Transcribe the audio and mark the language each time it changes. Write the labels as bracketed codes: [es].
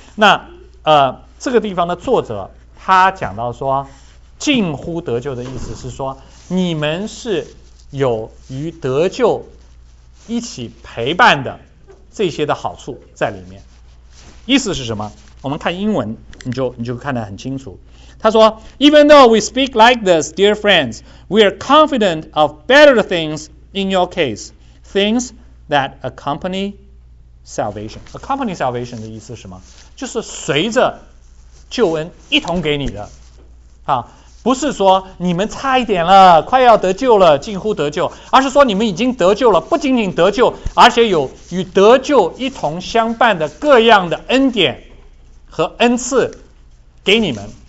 [zh] 那这个地方的作者他讲到说，近乎得救的意思是说，你们是有与得救一起陪伴的这些的好处在里面。意思是什么？我们看英文，你就看得很清楚。他说 [en] ，Even though we speak like this, dear friends, we are confident of better things in your case, things that accompany salvation. Accompany salvation [zh] 的意思是什么？就是随着救恩一同给你的，啊，不是说你们差一点了，快要得救了，近乎得救，而是说你们已经得救了，不仅仅得救，而且有与得救一同相伴的各样的恩典和恩赐给你们。